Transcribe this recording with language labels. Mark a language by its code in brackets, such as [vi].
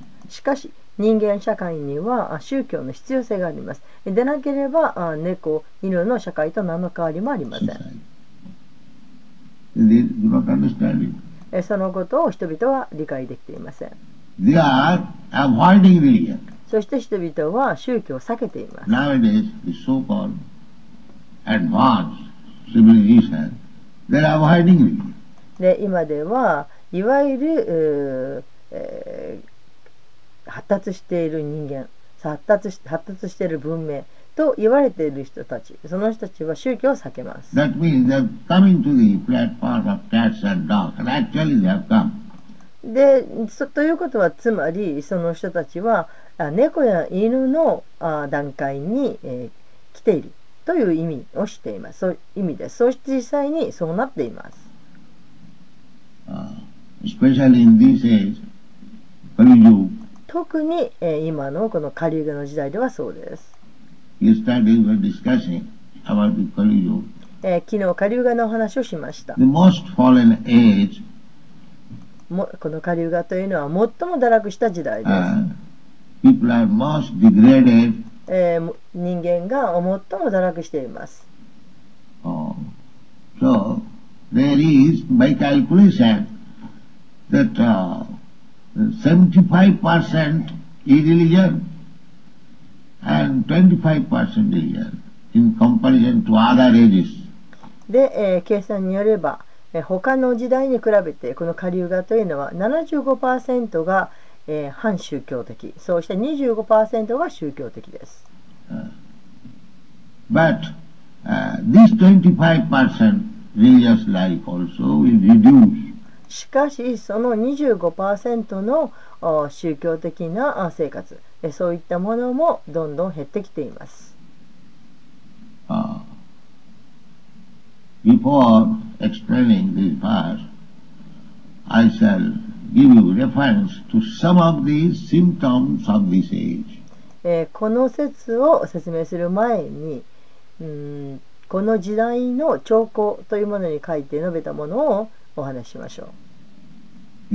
[ja] しかし人間社会には宗教の必要性があります。でなければ猫犬の社会と何の変わりもありません。そのことを人々は理解できていません。 [en] They are avoiding religion. [ja] そして人々は宗教を避けています。 [en] Nowadays, the so-called advanced civilization, they're avoiding religion. [ja] で今ではいわゆる、発達している人間、発達している文明と言われている人たち、その人たちは宗教を避けます。 [en] That means they're coming to the platform of cats and dogs, and actually they have come. [ja] でということはつまりその人たちは猫や犬の段階に、来ているという意味をしています。そういう意味です。そして実際にそうなっています。 [en] Especially in this age, Kali Yuga. [ja] 特に、今のこのカリウガの時代ではそうです。 [en] You started with discussing about the Kali Yuga. [ja] 昨日カリウガのお話をしました。 [en] The most fallen age [ja] このカリウガというのは最も堕落した時代です。 [en] People are most degraded. [ja] 人間が最も堕落しています。 [en] So there is by calculation that 75% irreligion and 25% religion in comparison to other ages. [ja] で、計算によれば他の時代に比べてこのカリウガというのは 75% が、反宗教的、そして 25% が宗教的です。 [en] But this 25% religious life also will reduce. [ja] しかしその 25% の宗教的な生活、そういったものもどんどん減ってきています。 [en] BeforeExplaining this verse, I shall give you reference to some of the symptoms of this age. [ja] この説を説明する前に、この時代の兆候というものに書いて述べたものをお話ししましょう。